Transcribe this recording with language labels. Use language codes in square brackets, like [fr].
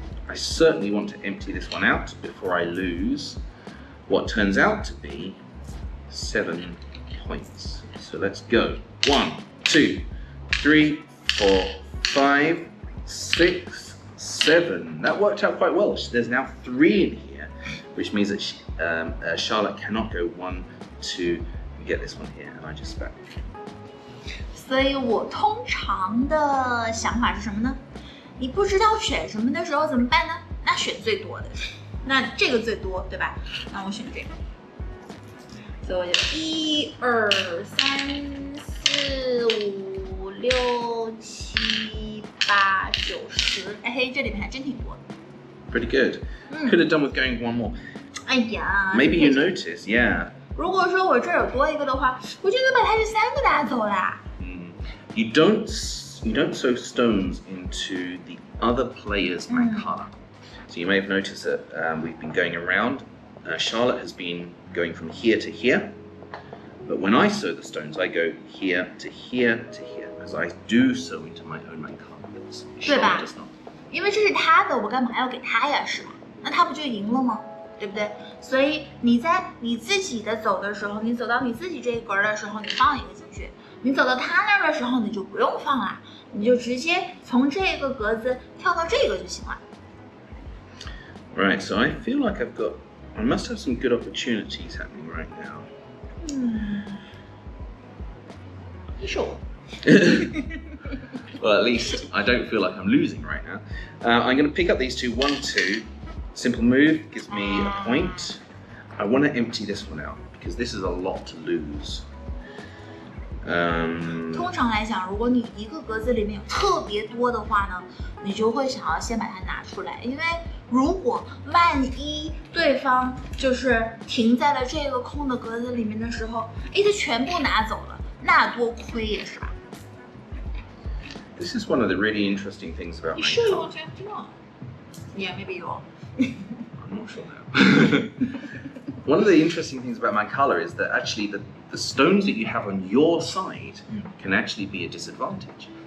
[en] I certainly want to empty this one out before I lose what turns out to be 7 points. So let's go. 1, 2, 3, 4, 5, 6, 7. That worked out quite well. There's now 3 in here, which means that Charlotte cannot go 1, 2 and get this one here. And I just spent. [zh] 所以我通常的想法是什么呢？你不知道选什么的时候怎么办呢？那选最多的，那这个最多，对吧？那我选这个。所以我就一二三四五六七八九十，哎嘿，这里面还真挺多的。 [en] Pretty good. Could have done with going one more. [zh] 哎呀。 [en] Maybe you notice, yeah. [zh] 如果说我这儿有多一个的话，我就能把它这三个拿走啦。 [en] You don't sow stones into the other player's mancala. So you may have noticed that we've been going around. Charlotte has been going from here to here. But when I sow the stones, I go here to here to here. Because I do sow into my own mancala. Charlotte does not. [zh] 因为这是他的，我干嘛要给他呀，是吗？那他不就赢了吗？对不对？所以你在你自己的走的时候，你走到你自己这一格的时候，你放一个进去；你走到他那儿的时候，你就不用放了，你就直接从这个格子跳到这个就行了。 [en] Right, so I feel like I've got, I must have some good opportunities happening right now. [zh] 一手。 [en] Well, at least I don't feel like I'm losing right now. I'm going to pick up these two. 1, 2. Simple move gives me a point. I want to empty this one out because this is a lot to lose. [zh] 通常来讲，如果你一个格子里面有特别多的话呢，你就会想要先把它拿出来，因为如果万一对方就是停在了这个空的格子里面的时候，哎，他全部拿走了，那多亏也是吧。 [en] This is one of the really interesting things about Minecraft. You sure you want to empty one? Yeah, maybe you are. I'm not sure now. One of the interesting things about Mancala is that actually the stones that you have on your side can actually be a disadvantage.